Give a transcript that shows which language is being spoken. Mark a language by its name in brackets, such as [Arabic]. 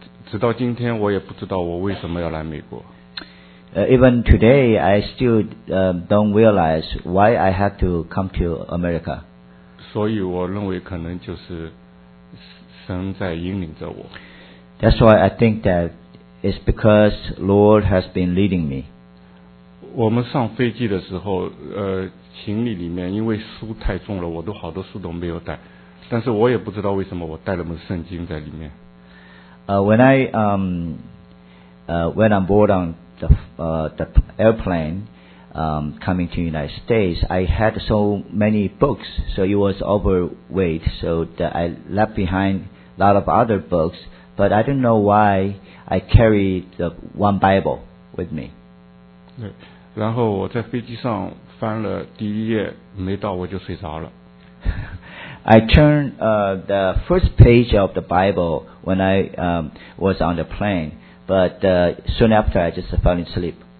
[Chinese] 直到今天，我也不知道我为什么要来美国。 [English] Even today, I still don't realize why I have to come to America. [Chinese] 所以我认为可能就是神在引领着我。 [English] That's why I think that it's because Lord has been leading me. [Chinese] 我们上飞机的时候，行李里面因为书太重了，我都好多书都没有带，但是我也不知道为什么我带了本圣经在里面。 [English] When I'm board on the airplane coming to United States, I had so many books, so it was overweight, so that I left behind a lot of other books, but I don't know why I carried the one Bible with me. [Chinese] 对，然后我在飞机上翻了第一页，没到我就睡着了。 [English] I turned the first page of the Bible when I was on the plane, but soon after I just fell asleep.